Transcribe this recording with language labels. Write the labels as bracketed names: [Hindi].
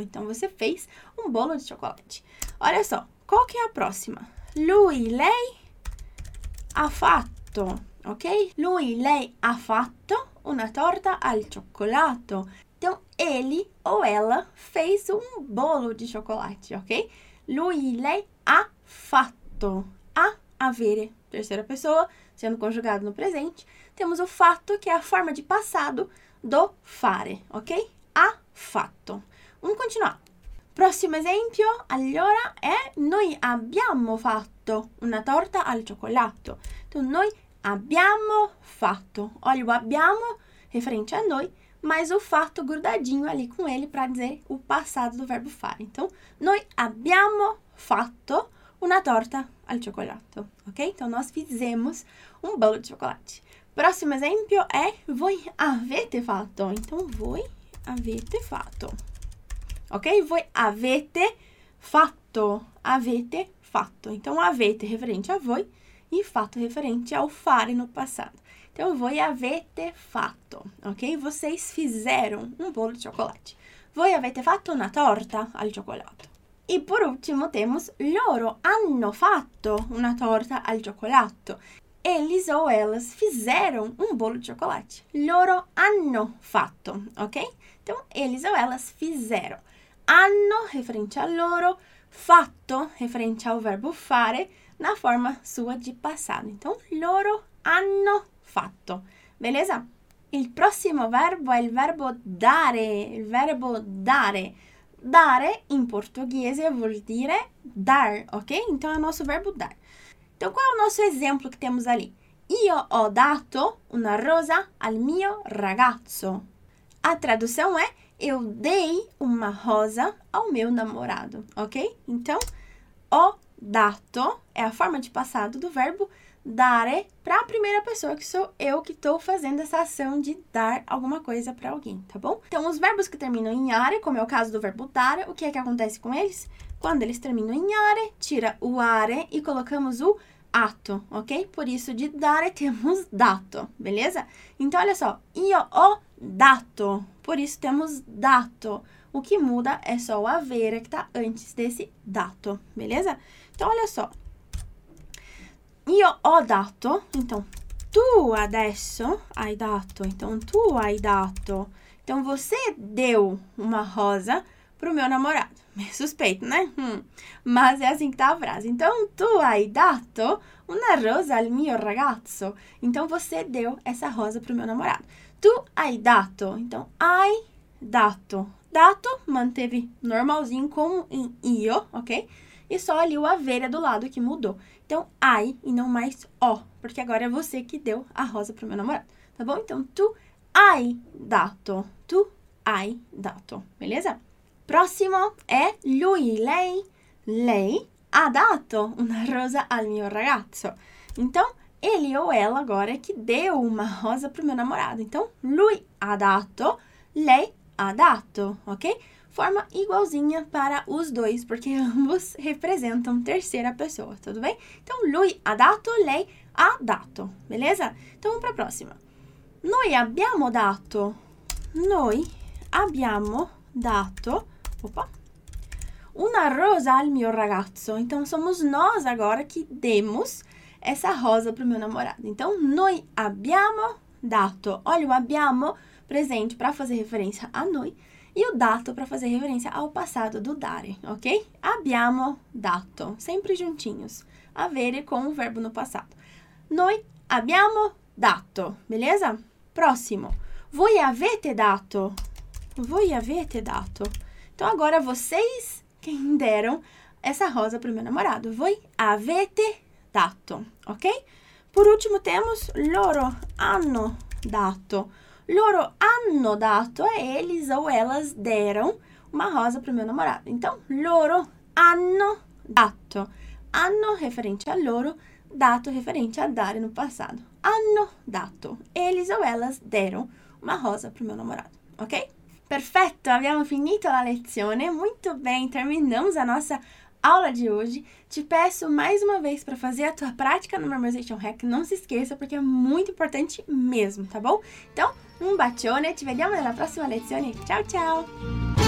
[Portuguese] Então, você fez um bolo de chocolate. Olha só, qual que é a próxima? [Italian] Lui, lei, ha fatto, ok? Lui, lei, ha fatto una torta al cioccolato. [Portuguese] Então, ele ou ela fez um bolo de chocolate, ok? [Italian] Lui, lei, ha fatto. [Portuguese] Avere, terceira pessoa, sendo conjugado no presente. Temos o fatto, que é a forma de passado do fare, ok? [Italian] Ha fatto. [Portuguese] Vamos continuar. [Italian] Prossimo esempio, allora, è noi abbiamo fatto una torta al cioccolato. Então, noi abbiamo fatto. [Portuguese] Olha, o abbiamo, referente a noi, mas o fatto grudadinho ali com ele para dizer o passado do verbo fare. [Italian] Então, noi abbiamo fatto una torta al cioccolato, ok? [Portuguese] Então, nós fizemos um bolo de chocolate. [Italian] Prossimo esempio è voi avete fatto. Então, voi avete fatto. Ok? Voi avete fatto. Avete fatto. [Portuguese] Então, avete referente a voi e fatto referente ao fare no passato. [Italian] Então, voi avete fatto. Ok? [Portuguese] Vocês fizeram um bolo de chocolate. [Italian] Voi avete fatto una torta al cioccolato. [Portuguese] E por último, temos [Italian] loro hanno fatto una torta al cioccolato. [Portuguese] Eles ou elas fizeram um bolo de chocolate. [Italian] Loro hanno fatto, [Portuguese] ok? Então, eles ou elas fizeram. Hanno, referente a loro, fatto, referente ao verbo fare, na forma sua de passado. [Italian] Então, loro hanno fatto, beleza? Il prossimo verbo è il verbo dare. Il verbo dare. Dare, in portoghese, vuol dire dar, ok? Então, è il nostro verbo dar. [Portuguese] Então, qual é o nosso exemplo que temos ali? [Italian] Io ho dato una rosa al mio ragazzo. [Portuguese] A tradução é: eu dei uma rosa ao meu namorado, ok? Então, ho dato é a forma de passado do verbo dare para a primeira pessoa, que sou eu que estou fazendo essa ação de dar alguma coisa para alguém, tá bom? Então, os verbos que terminam em are, como é o caso do verbo dare, o que é que acontece com eles? Quando eles terminam em are, tira o are e colocamos o atto, ok? Por isso de dar temos dato, beleza? Então olha só, io ho dato, por isso temos dato. O que muda é só o avere que está antes desse dato, beleza? Então olha só, io ho dato, então [Italian] tu adesso hai dato, [Portuguese] então [Italian] tu hai dato, [Portuguese] então você deu uma rosa pro meu namorado. Me suspeito, né? Mas é assim que tá a frase. [Italian] Então, tu hai dato una rosa al mio ragazzo. [Portuguese] Então, você deu essa rosa pro meu namorado. [Italian] Tu hai dato. [Portuguese] Então, hai dato. Dato manteve normalzinho como em io, ok? E só ali o avere do lado que mudou. Então, hai e não mais o, porque agora é você que deu a rosa pro meu namorado. Tá bom? Então, [Italian] tu hai dato. Tu hai dato. [Portuguese] Beleza? [Italian] Prossimo è lui, lei. Lei ha dato una rosa al mio ragazzo. [Portuguese] Então, ele ou ela agora é que deu uma rosa pro meu namorado. [Italian] Então, lui ha dato, lei ha dato, ok? [Portuguese] Forma igualzinha para os dois, porque ambos representam terceira pessoa, tudo bem? Então, [Italian] lui ha dato, lei ha dato, [Portuguese] beleza? Então, vamos para a próxima. [Italian] Noi abbiamo dato. Noi abbiamo dato. Opa. Una rosa al mio ragazzo. [Portuguese] Então somos nós agora que demos essa rosa pro meu namorado. Então [Italian] noi abbiamo dato. [Portuguese] Olha, o abbiamo presente para fazer referência a noi e o dato para fazer referência ao passado do dare, ok? Abbiamo dato, sempre juntinhos, avere com o verbo no passado. [Italian] Noi abbiamo dato, beleza? Próximo. Voi avete dato. Voi avete dato. [Portuguese] Então, agora vocês quem deram essa rosa para o meu namorado. [Italian] Voi avete dato, ok? [Portuguese] Por último, temos [Italian] loro hanno dato. Loro hanno dato [Portuguese] é eles ou elas deram uma rosa para o meu namorado. Então, [Italian] loro hanno dato. [Portuguese] Hanno referente a loro, dato referente a dare no passado. [Italian] Hanno dato. [Portuguese] Eles ou elas deram uma rosa para o meu namorado, ok? [Italian] Perfetto, abbiamo finito la lezione. [Portuguese] Muito bem, terminamos a nossa aula de hoje. Te peço mais uma vez para fazer a tua prática no Memorization Hack. Não se esqueça, porque é muito importante mesmo, tá bom? Então, [Italian] um bacione, te vediamo nella prossima lezione. [Portuguese] Tchau, tchau!